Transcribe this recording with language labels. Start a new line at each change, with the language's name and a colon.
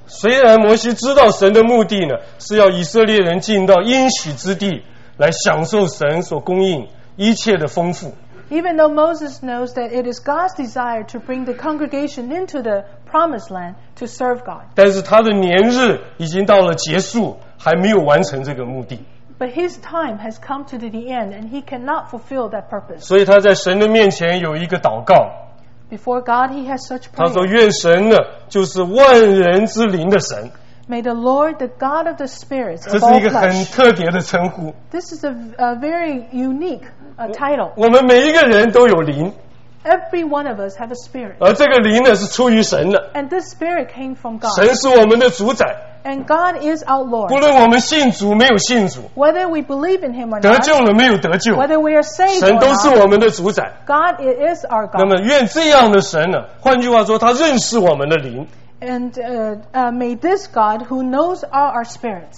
Chinese: 虽然摩西知道神的目的呢，是要以色列人进到应许之地，来享受神所供应一切的丰富。
English: Even though Moses knows that it is God's desire to bring the congregation into the promised land to serve God.
Chinese: 但是他的年日已经到了结束，还没有完成这个目的。
English: But his time has come to the end, and he cannot fulfill that purpose.
Chinese: 所以他在神的面前有一个祷告。
English: Before God, he has such prayer.
Chinese: 他说：“愿神呢，就是万人之灵的神。”
English: May the Lord, the God of the spirits of all flesh.
Chinese: 这是一个很特别的称呼。
English: This is a very unique title.
Chinese: 我们每一个人都有灵。
English: Every one of us have a spirit.
Chinese: 而这个灵呢，是出于神的。
English: And this spirit came from God.
Chinese: 神是我们的主宰。
English: And God is our Lord.
Chinese: 不论我们信主没有信主
English: ，Whether we believe in Him or not，
Chinese: 得救了没有得救
English: ，Whether we are saved or not，
Chinese: 神都是我们的主宰。
English: God is our God.
Chinese: 那么愿这样的神呢？换句话说，他认识我们的灵。
English: And may this God who knows our spirits，